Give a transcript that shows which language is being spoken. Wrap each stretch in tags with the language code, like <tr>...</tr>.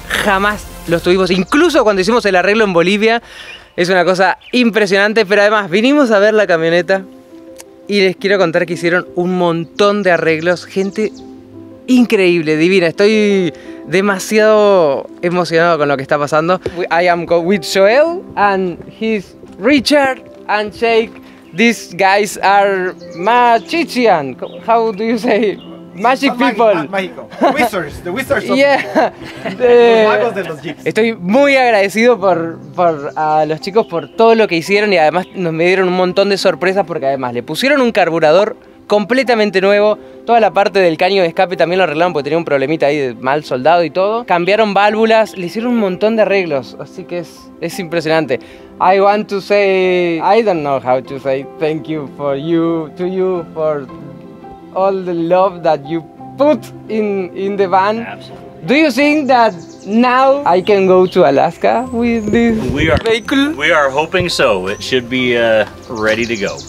<es>Jamás los tuvimos, incluso cuando hicimos el arreglo en Bolivia. Es una cosa impresionante, pero además vinimos a ver la camioneta. Y les quiero contar que hicieron un montón de arreglos, gente increíble, divina. Estoy demasiado emocionado con lo que está pasando.</es> <en>I am with Joel and he's Richard and Jake. These guys are magician. How do you say it? Magic people. Wizards, the wizards of yeah.</en> <es>The magos de los jeeps. Estoy muy agradecido por a los chicos por todo lo que hicieron y además nos me dieron un montón de sorpresas porque además le pusieron un carburador completamente nuevo, toda la parte del caño de escape también lo arreglaron porque tenía un problemita ahí de mal soldado y todo. Cambiaron válvulas, le hicieron un montón de arreglos, así que es impresionante.</es> <en>I want to say, I don't know how to say thank you for you to you for all the love that you put in the van. Absolutely. Do you think that now I can go to Alaska with this vehicle? We are hoping so. It should be ready to go.</en>